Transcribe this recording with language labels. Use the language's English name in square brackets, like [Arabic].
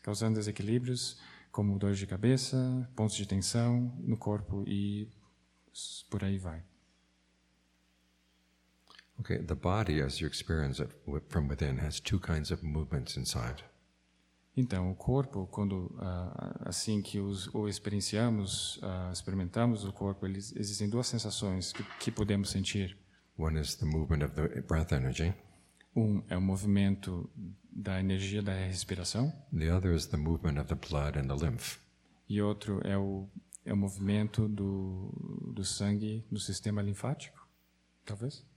[Portuguese] Causando desequilíbrios como dores de cabeça, pontos de tensão no corpo e por aí vai. [English] Okay, the body, as you experience it from within, has two kinds of movements inside. [Portuguese] Então, o corpo, quando assim que o experienciamos, experimentamos o corpo, existem duas sensações que podemos sentir. [English] One is the movement of the breath energy. [Portuguese] Um é o movimento da energia da respiração. [English] The other is the movement of the blood and the lymph. [Portuguese] E outro é o movimento do sangue no sistema linfático, talvez.